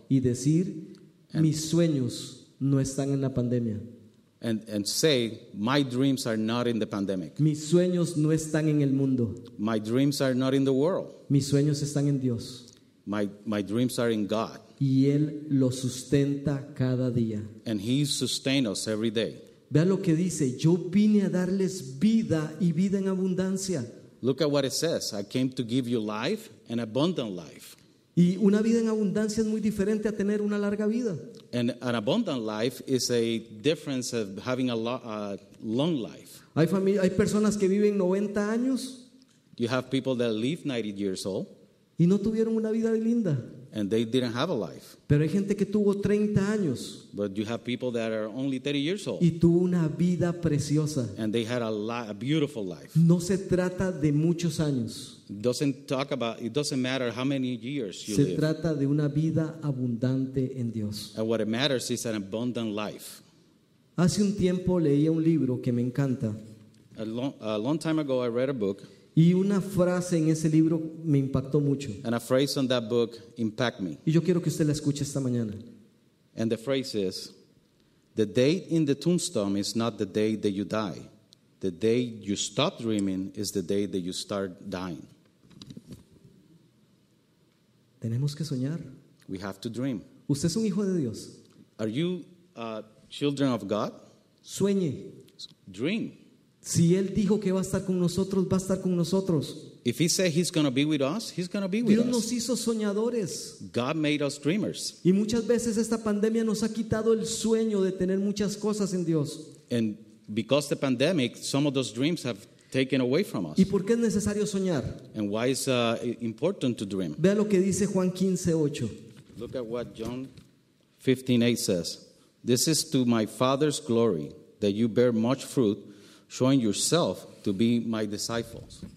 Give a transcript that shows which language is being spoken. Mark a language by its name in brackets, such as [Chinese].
[Spanish] Y decir, mis sueños no están en la pandemia. [English] And say, my dreams are not in the pandemic. [Spanish] Mis sueños no están en el mundo. [English] My dreams are not in the world. [Spanish] Mis sueños están en Dios. [English] My dreams are in God. [Spanish] Y Él los sustenta cada día. [English] And He sustains us every day. [Spanish] Vea lo que dice, yo vine a darles vida y vida en abundancia. [English] Look at what it says, I came to give you life and abundant life. [Spanish] Y una vida en abundancia es muy diferente a tener una larga vida. [English] And an abundant life is a difference of having a long life. [Spanish] Hay personas que viven 90 años. [English] You have people that live 90 years old. [Spanish] Y no tuvieron una vida linda. [English] And they didn't have a life. [Spanish] Pero hay gente que tuvo 30 años. [English] But you have people that are only 30 years old. [Spanish] Y tuvo una vida preciosa. [English] And they had a beautiful life. [Spanish] No se trata de muchos años. [English] It doesn't matter how many years you live. [Spanish] Se trata de una vida abundante en Dios. [English] And what matters is an abundant life. [Spanish] Hace un tiempo leía un libro que me encanta. [English] A long time ago I read a book. [Spanish] Y una frase en ese libro me impactó mucho. [English] And a phrase on that book impacted me. [Spanish] Y yo quiero que usted la escuche esta mañana. [English] And the phrase is, the date in the tombstone is not the day that you die. The day you stop dreaming is the day that you start dying. [Spanish] Tenemos que soñar. [English] We have to dream. [Spanish] Usted es un hijo de Dios. [English] Are you children of God? [Spanish] Sueñe. [English] Dream. [Spanish] Si Él dijo que va a estar con nosotros, va a estar con nosotros. [English] If He said He's going to be with us, He's going to be [Spanish] Dios Dios nos hizo soñadores. [English] God made us dreamers. [Spanish] Y muchas veces esta pandemia nos ha quitado el sueño de tener muchas cosas en Dios. [English] And because the pandemic, some of those dreams have taken away from us. [Spanish] ¿Y por qué es necesario soñar? [English] And why is important to dream? [Spanish] Vea lo que dice Juan 15:8. [English] Look at what John 15:8 says. This is to my Father's glory that you bear much fruit, showing yourself to be my disciples.